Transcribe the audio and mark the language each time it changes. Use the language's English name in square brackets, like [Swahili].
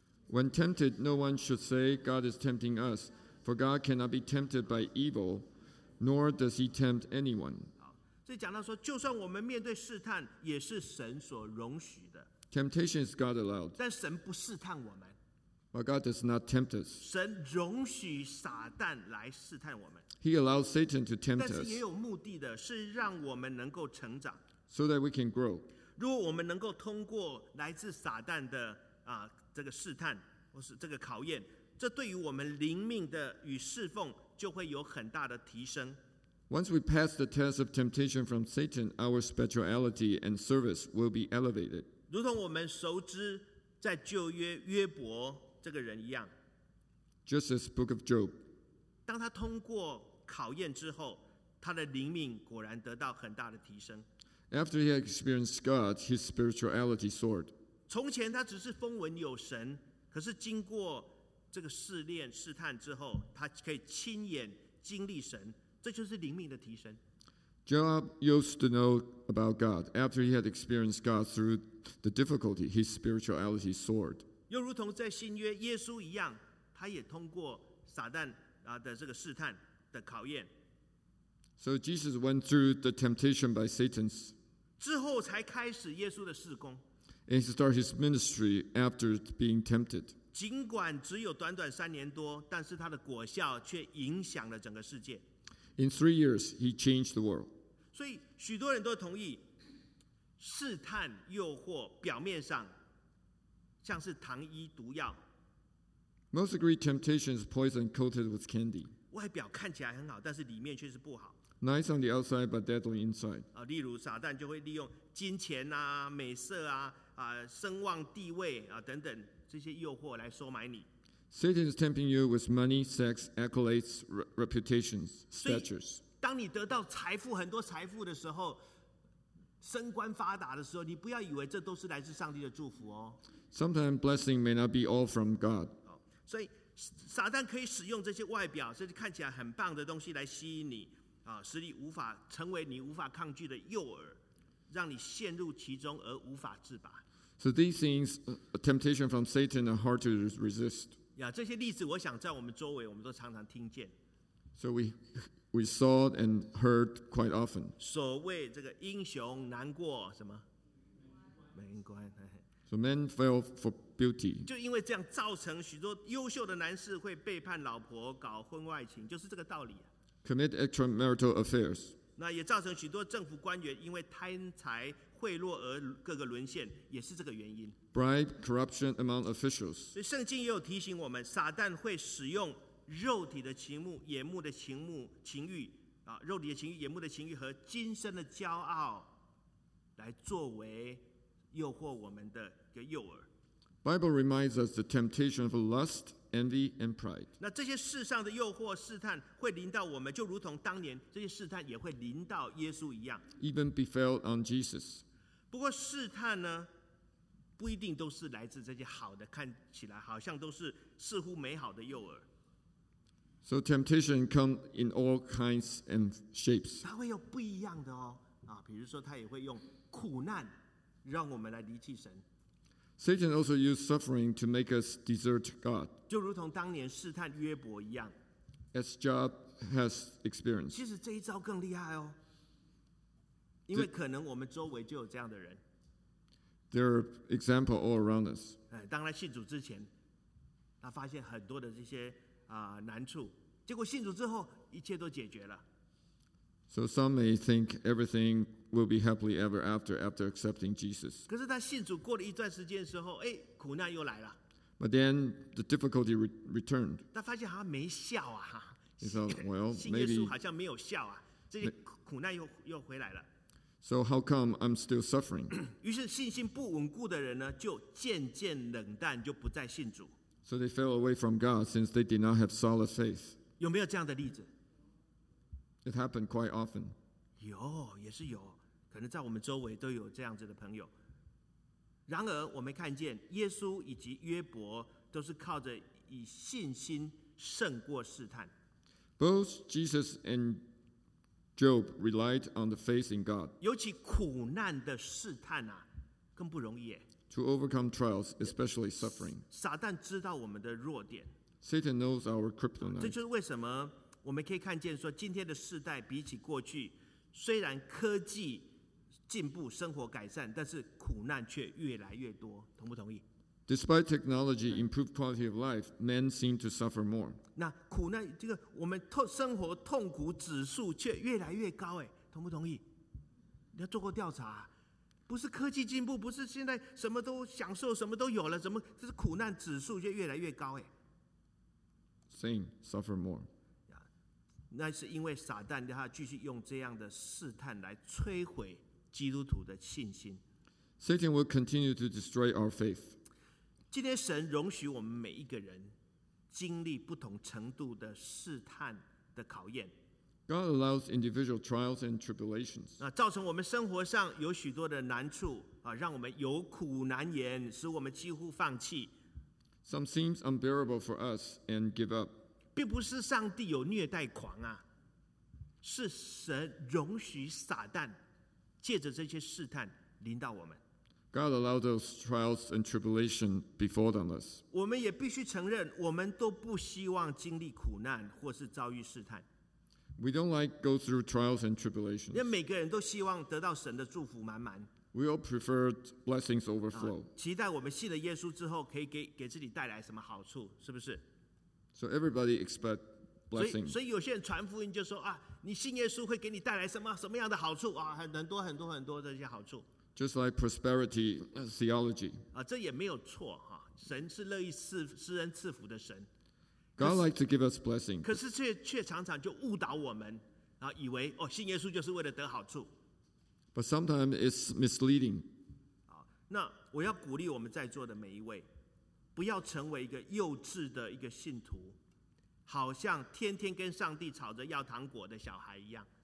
[English] When tempted, no one should say, God is tempting us, for God cannot be tempted by evil, nor does he tempt anyone. [Chinese] 好，所以讲到说，就算我们面对试探，也是神所容许的。 [English] Temptation is God allowed. [Chinese] 但神不试探我们。 [English] But God does not tempt us. [Chinese] 神容许撒旦来试探我们。 [English] He allows Satan to tempt us. [Chinese] 但是也有目的的，是让我们能够成长。 [English] So that we can grow. [Chinese] 如果我们能够通过来自撒旦的这个试探或是这个考验，这对于我们灵命的与侍奉就会有很大的提升。 [English] Once we pass the test of temptation from Satan, our spirituality and service will be elevated. [Chinese] 如同我们熟知在旧约约伯这个人一样， [English] Just as Book of Job, [Chinese] 当他通过考验之后，他的灵命果然得到很大的提升。 [English] After he had experienced God, his spirituality soared. [Chinese] 从前他只是风闻有神，可是经过这个试炼试探之后，他可以亲眼经历神，这就是灵命的提升。 [English] Job used to know about God. After he had experienced God through the difficulty, his spirituality soared. [Chinese] 又如同在新约耶稣一样，他也通过撒旦的这个试探的考验。 [English] So Jesus went through the temptation by Satan's. [Chinese] 之后才开始耶稣的事工。 [English] And he started his ministry after being tempted. [Chinese] 尽管只有短短三年多，但是他的果效却影响了整个世界。 [English] In 3 years, he changed the world. [Chinese] 所以许多人都同意，试探诱惑表面上像是糖衣毒药。 [English] Most agree temptation is poison coated with candy. [Chinese] 外表看起来很好，但是里面却是不好。 [English] Nice on the outside, but deadly inside. [Chinese] 例如撒旦就会利用金钱啊、美色啊、声望、地位啊等等这些诱惑来收买你。 [English] Satan is tempting you with money, sex, accolades, reputations, statures. [Chinese] 当你得到财富，很多财富的时候，升官发达的时候，你不要以为这都是来自上帝的祝福哦。 [English] Sometimes blessing may not be all from God. [Chinese] 所以撒旦可以使用这些外表，甚至看起来很棒的东西来吸引你，使你无法成为你无法抗拒的诱饵，让你陷入其中而无法自拔。 [English] So these things, temptation from Satan, are hard to resist. [Chinese] 这些例子我想在我们周围我们都常常听见。 [English] So we saw and heard quite often. [Chinese] 所谓这个英雄难过什么？没关。 [English] So men fell for beauty. [Chinese] 就因为这样造成许多优秀的男士会背叛老婆搞婚外情，就是这个道理。 [English] Commit extramarital affairs. [Chinese] 那也造成许多政府官员因为贪财贿赂而各个沦陷，也是这个原因。 [English] Bribe corruption among officials. [Chinese] 圣经也有提醒我们，撒旦会使用肉体的情目、眼目的情目、情欲啊，肉体的情欲、眼目的情欲和今生的骄傲，来作为诱惑我们的一个诱饵。 [English] Bible reminds us the temptation of lust, envy, and pride. [Chinese] 那这些世上的诱惑、试探会临到我们，就如同当年这些试探也会临到耶稣一样。 [English] Even befell on Jesus. [Chinese] 不过试探呢？不一定都是来自这些好的，看起来好像都是似乎美好的诱饵。 [English] So temptation comes in all kinds and shapes. [Chinese] 它会有不一样的哦，比如说它也会用苦难让我们来离弃神。 [English] Satan also used suffering to make us desert God. [Chinese] 就如同当年试探约伯一样。 [English] As Job has experienced. [Chinese] 其实这一招更厉害哦，因为可能我们周围就有这样的人。 [English] There are examples all around us. [Chinese] 当他信主之前，他发现很多的这些难处，结果信主之后，一切都解决了。 [English] So some may think everything will be happily ever after accepting Jesus. [Chinese] 可是他信主过了一段时间之后，苦难又来了。 [English] But then the difficulty returned. [Chinese] 他发现好像没效啊。 [English] He thought, well, maybe. [Chinese] 信耶稣好像没有效啊，这些苦难又回来了。 [English] So how come I'm still suffering? [Chinese] 于是信心不稳固的人呢，就渐渐冷淡，就不再信主。 [English] So they fell away from God since they did not have solid faith. [Chinese] 有没有这样的例子？ [English] It happened quite often. [Chinese] 有，也是有，可能在我们周围都有这样子的朋友。然而，我们看见耶稣以及约伯都是靠着以信心胜过试探。 [English] Both Jesus and Job relied on the faith in God. [Chinese] 尤其苦难的试探啊，更不容易。 [English] To overcome trials, especially suffering. [Chinese] 撒旦知道我们的弱点。 [English] Satan knows our kryptonite. [Chinese] 这就是为什么我们可以看见说，今天的世代比起过去，虽然科技进步、生活改善，但是苦难却越来越多。同不同意？ [English] Despite technology improved quality of life, men seem to suffer more. [Chinese] 那苦难，这个我们生活痛苦指数却越来越高，哎，同不同意？你要做过调查，不是科技进步，不是现在什么都享受，什么都有了，怎么这是苦难指数却越来越高？哎 [English] ，Same, suffer more. [Chinese] 那是因为撒旦他继续用这样的试探来摧毁基督徒的信心。 [English] Satan will continue to destroy our faith. [Chinese] 今天神容许我们每一个人经历不同程度的试探的考验。 [English] God allows individual trials and tribulations. [Chinese] 造成我们生活上有许多的难处，让我们有苦难言，使我们几乎放弃。 [English] Some seems unbearable for us and give up. [Chinese] 并不是上帝有虐待狂啊，是神容许撒旦借着这些试探临到我们。 [English] God allowed those trials and tribulation befall us. [Chinese] 我们也必须承认，我们都不希望经历苦难或是遭遇试探。 [English] We don't like go through trials and tribulations. [Chinese] 因为每个人都希望得到神的祝福满满。 [English] We all prefer blessings overflow. [Chinese] 期待我们信了耶稣之后可以给自己带来什么好处，是不是？ [English] So everybody expect blessings. [Chinese] 所以有些人传福音就说啊，你信耶稣会给你带来什么样的好处啊，很多很多很多这些好处。 [English] Just like prosperity theology. [Chinese] 这也没有错，神是乐意施恩赐福的神。 [English] God likes to give us blessings. [Chinese] 可是却常常就误导我们，以为哦，信耶稣就是为了得好处。 [English] But sometimes it's misleading. [Chinese] 那我要鼓励我们在座的每一位，不要成为一个幼稚的一个信徒，好像天天跟上帝吵着要糖果的小孩一样。